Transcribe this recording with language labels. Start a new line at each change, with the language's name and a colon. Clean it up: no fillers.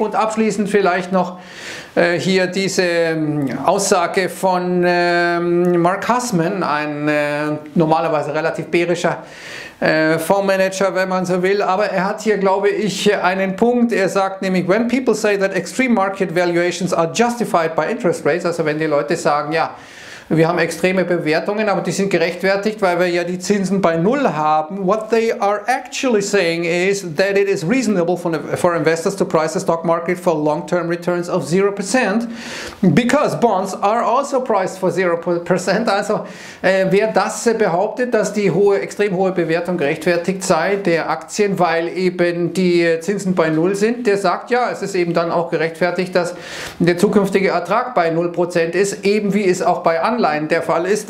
German: Und abschließend vielleicht noch hier diese Aussage von Mark Hussman, ein normalerweise relativ bärischer Fondsmanager, wenn man so will, aber er hat hier, glaube ich, einen Punkt. Er sagt nämlich,
English: when people say that extreme market valuations are justified by interest rates,
German: also wenn die Leute sagen, ja, wir haben extreme Bewertungen, aber die sind gerechtfertigt, weil wir ja die Zinsen bei Null haben.
English: What they are actually saying is that it is reasonable for investors to price the stock market for long-term returns of 0%, because bonds are also priced for 0%.
German: Also wer das behauptet, dass die hohe, extrem hohe Bewertung gerechtfertigt sei, der Aktien, weil eben die Zinsen bei Null sind, der sagt ja, es ist eben dann auch gerechtfertigt, dass der zukünftige Ertrag bei 0% ist, eben wie es auch bei Anleihen der Fall ist.